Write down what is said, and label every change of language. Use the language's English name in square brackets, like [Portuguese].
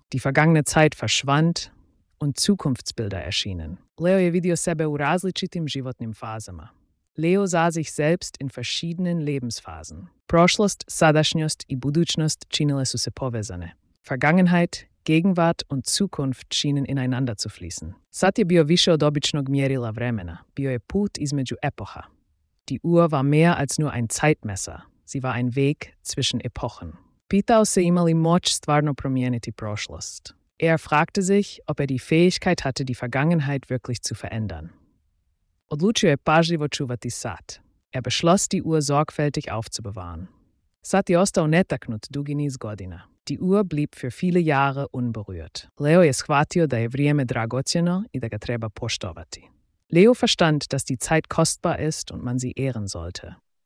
[German] Die vergangene Zeit verschwand und Zukunftsbilder erschienen. [Croatian] Leo je vidio sebe u različitim životnim fazama. [German] Leo sah sich selbst in verschiedenen Lebensphasen. [Croatian] Prošlost, sadašnjost i budućnost činile su se povezane. [German] Vergangenheit, Gegenwart und Zukunft schienen ineinander zu fließen. [Croatian] Sad je bio više od običnog mjerila vremena. Bio je put između epoha. [German] Die Uhr war mehr als nur ein Zeitmesser. Sie war ein Weg zwischen Epochen. [Croatian] Pitao se imali moć stvarno promijeniti prošlost. [German] Er fragte sich, ob er die Fähigkeit hatte, die Vergangenheit wirklich zu verändern. [Croatian] Odlučio je pažljivo čuvati sat. [German] Er beschloss, die Uhr sorgfältig aufzubewahren. [Croatian] Sat je ostao netaknut dugi niz godina. [German] Die Uhr blieb für viele Jahre unberührt. [Croatian] Leo je shvatio da je vrijeme dragocjeno i da ga treba poštovati. [German] Leo verstand, dass die Zeit kostbar ist und man sie ehren sollte.